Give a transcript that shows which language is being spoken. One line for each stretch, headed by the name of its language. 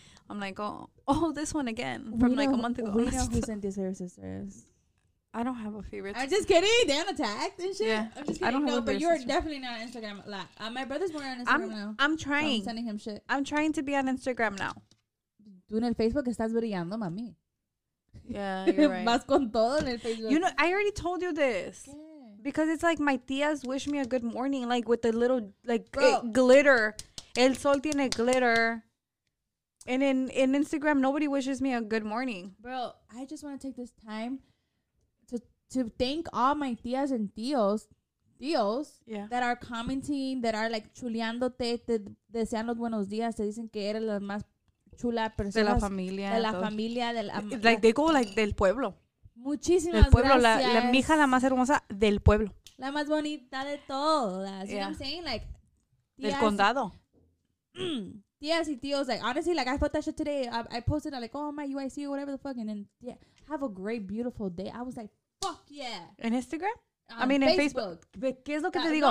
English: I'm like, oh, this one again from like a month ago. We know who Cynthia's favorite sister is. I don't have a favorite sister. I'm just kidding. Dan attacked and shit. Yeah. I'm just kidding. I don't have a favorite sister. Definitely not on Instagram a lot. My brother's more on Instagram now. I'm trying. So I'm sending him shit. I'm trying to be on Instagram now.
Spanish: Tú en el Facebook estás brillando, mami.
English: Yeah, you're right.
Spanish: Más con todo en el Facebook.
English: You know, I already told you this.
Spanish: ¿Qué?
English: Because it's like my tías wish me a good morning, like with a little, like, glitter.
Spanish: El sol tiene glitter.
English: And in Instagram, nobody wishes me a good morning. Bro, I just want to take this time to thank all my tías and tíos yeah. that are commenting, that are like
Spanish: chuleándote, te desean los buenos días, te dicen que eres la más chula persona. De la familia. De la todo. Familia. De la,
English: like, they go like
Spanish: del pueblo. Muchísimas del pueblo, gracias. La mija la más hermosa del pueblo. La más bonita de todas.
English: Yeah. You know what I'm saying? Like,
Spanish: tías, del condado.
English: Tías y tíos, like, honestly, like, I put that shit today. I posted, like, oh, my UIC or whatever the fuck. And then, yeah, have a great, beautiful day. I was like, fuck yeah. In Instagram? In Facebook.
Spanish: ¿Qué es lo que te digo?